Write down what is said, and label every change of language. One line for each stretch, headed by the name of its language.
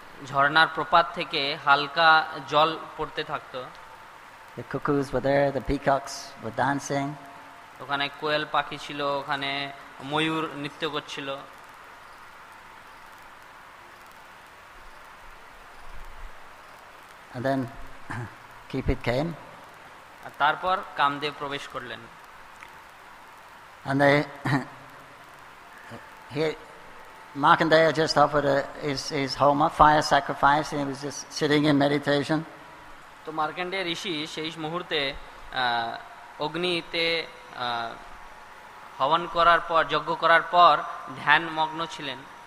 Bangla: ঝর্ণার প্রপাত থেকে হালকা জল পড়তে থাকতো।
English: The cuckoos were there, the peacocks were dancing.
Bangla: ওখানে কোয়েল পাখি ছিল, ওখানে ময়ূর নৃত্য করছিল।
English: And then Cupid came.
Bangla: আর তারপর কামদেব প্রবেশ করলেন।
English: And they he Markandeya just offered his homa fire sacrifice and he was just sitting in meditation.
Bangla: তো মার্কণ্ডেয় ঋষি সেই মুহূর্তে অগ্নিতে হবন করার পর, যজ্ঞ করার পর ধ্যান মগ্ন ছিলেন।